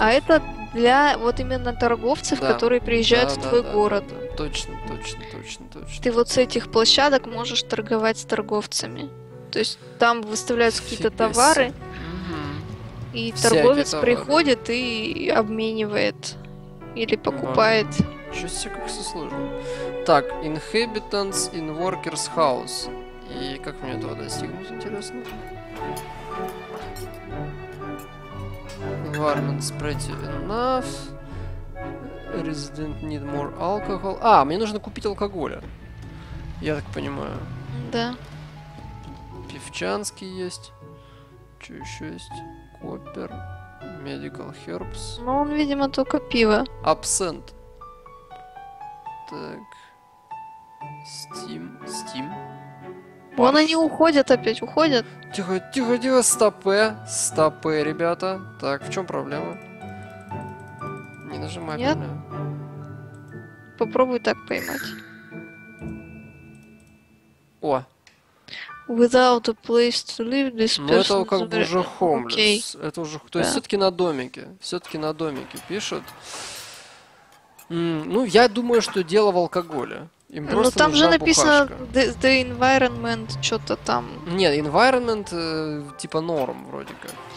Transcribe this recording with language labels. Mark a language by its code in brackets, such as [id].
[ru] А это для вот именно торговцев, которые приезжают в твой город. Точно. Ты вот с этих площадок можешь торговать с торговцами. То есть там выставляются какие-то товары, и торговец приходит и обменивает или покупает. Чё себе, как все сложно. [en] Так, inhabitants in workers house. [ru] И как мне этого достигнуть, интересно? [en] Environment's pretty enough. Resident need more alcohol. [ru] А, мне нужно купить алкоголя. Я так понимаю. Да. Певчанский есть. Чё ещё есть? Copper. [en] Medical herbs. [ru] Ну, он, видимо, только пиво. [en] Absent. Так. Steam. [ru] Вон они уходят опять, уходят. Тихо. Стопы, ребята. Так, в чем проблема? Не нажимай. Нет. Меня. Попробуй так поймать. О. [en] Without a place to live, this person. [ru] Ну это как бы уже homeless. [en] Okay. [ru] Это уже, то есть все-таки на домике. Все-таки на домике пишут. Ну я думаю, что дело в алкоголе. Им просто нужна бухашка. Ну там же написано the environment что-то там. Нет, environment типа норм вроде как.